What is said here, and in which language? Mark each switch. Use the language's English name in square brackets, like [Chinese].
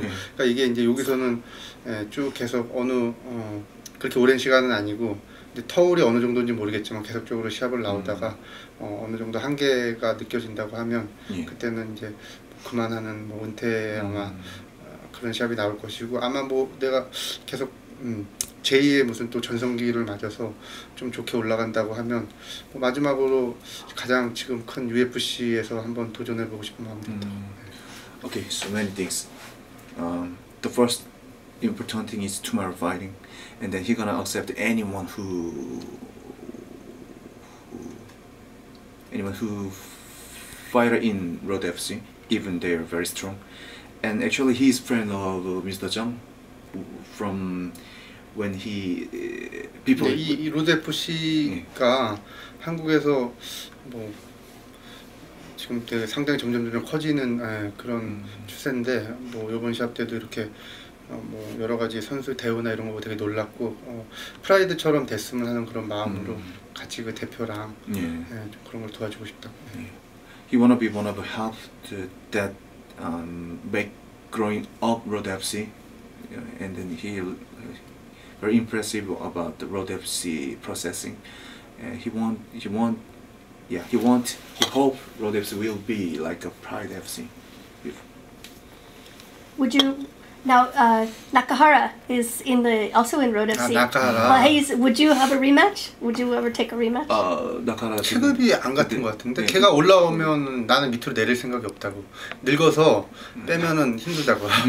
[Korean] 그러니까 이게 이제 여기서는 쭉 계속 그렇게 오랜 시간은 아니고, 이제 터울이 어느 정도인지 모르겠지만, 계속적으로 시합을 나오다가, 어느 정도 한계가 느껴진다고 하면, 그때는 이제 그만하는, 뭐 은퇴 아마 그런 시합이 나올 것이고, 아마 뭐 내가 계속, 제2의 무슨 또 전성기를 맞아서 좀 좋게 올라간다고 하면 뭐 마지막으로 가장 지금 큰 UFC에서 한번 도전해 보고 싶은 마음입니다. [English] Okay, so many things. The first important thing is tomorrow fighting, and then he gonna accept anyone who fighter in Road FC, given they are very strong. And actually, he's friend of Mr. Jung from. When he people [Korean] 네, 이 로드 FC가 한국에서 뭐 지금 되게 상당히 점점 커지는 그런 추세인데 뭐 이번 시합 때도 이렇게 뭐 여러 가지 선수 대우나 이런 거 되게 놀랐고 프라이드처럼 됐으면 하는 그런 마음으로 같이 그 대표랑 좀 그런 걸 도와주고 싶다. [English] he wanna be one of the help to that make growing up Road FC, and then he very impressive about the Road FC processing. He hope Road FC will be like a Pride FC. Would you now Nakahara is in the also in Road FC. Nakahara. Would you have a rematch? Would you ever take a rematch? Nakahara. [Korean] 체급이 안 같은 것 같은데 네. 걔가 올라오면 나는 밑으로 내릴 생각이 없다고 늙어서 빼면은 힘들다고.